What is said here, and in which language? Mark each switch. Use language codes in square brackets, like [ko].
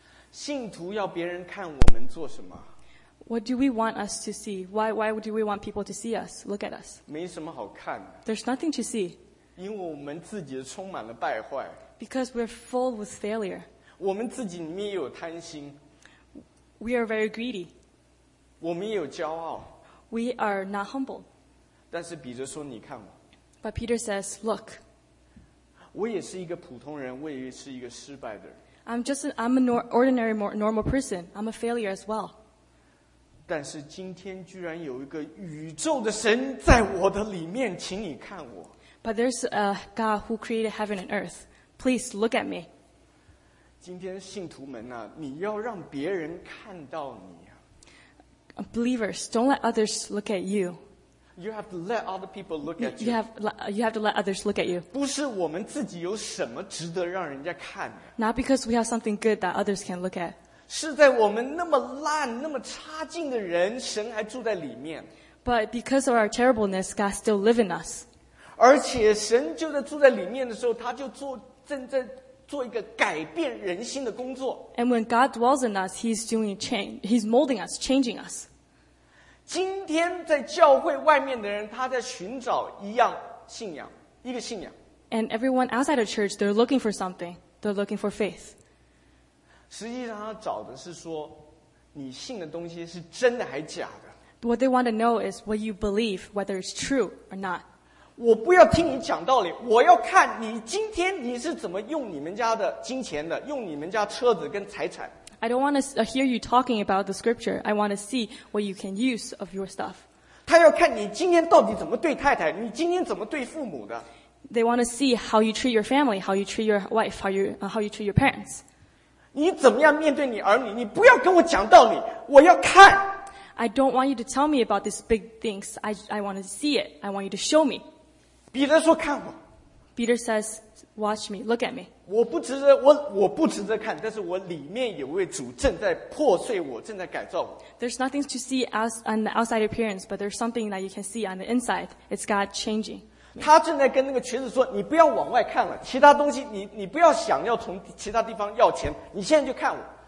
[zh] 信徒要别人看我们做什么？ [en] What do we want us to see? Why do we want people to see us? Look at us. [zh] 没什么好看。 [en] There's nothing to see. [zh] 因为我们自己充满了败坏。 [en] Because we're full with failure. [zh] 我们自己里面也有贪心。 [en] We are very greedy. [zh] 我们也有骄傲。 [en] We are not humble. [zh] 但是彼得说你看我。 [en] But Peter says, look. [zh] 我也是一个普通人，我也是一个失败的人。 [en] I'm an ordinary, normal person. I'm a failure as well. [zh] 但是今天居然有一个宇宙的神在我的里面，请你看我。 [en] But there's a God who created heaven and earth. Please look at me. [zh] 今天信徒们啊，你要让别人看到你啊。 [en] Believers, don't let others look at you. You have to let other people look at you. You have to let others look at you. [zh] 不是我们自己有什么值得让人家看。 [en] Not because we have something good that others can look at. [zh] 是在我们那么烂、那么差劲的人，神还住在里面。 [en] But because of our terribleness, God still lives in us. [zh] 而且神就在住在里面的时候，他就做正在做一个改变人心的工作。 [en] And when God dwells in us, He's doing change. He's molding us, changing us. [zh] 今天在教会外面的人，他在寻找一样信仰，一个信仰。 [en] And everyone outside of church, they're looking for something. They're looking for faith. [zh] 实际上，他找的是说，你信的东西是真的还假的。 [en] What they want to know is what you believe, whether it's true or not. [zh] 我不要听你讲道理，我要看你今天你是怎么用你们家的金钱的，用你们家车子跟财产。 [en] I don't want to hear you talking about the scripture. I want to see what you can use of your stuff. [zh] 他要看你今天到底怎么对太太，你今天怎么对父母的。 [en] They want to see how you treat your family, how you treat your wife, how you treat your parents. [zh] 你怎么样面对你儿女？你不要跟我讲道理，我要看。 [en] I don't want you to tell me about these big things. I want to see it. I want you to show me. [zh] 彼得说看我。 [en] Peter says, watch me, look at me. [zh] 我不值得看，但是我里面有位主正在破碎我，正在改造我。 [en] There's nothing to see on the outside appearance, but there's something that you can see on the inside. It's God changing. [zh] 他正在跟那个瘸子说，你不要往外看了，其他东西你不要想要从其他地方要钱，你现在就看我。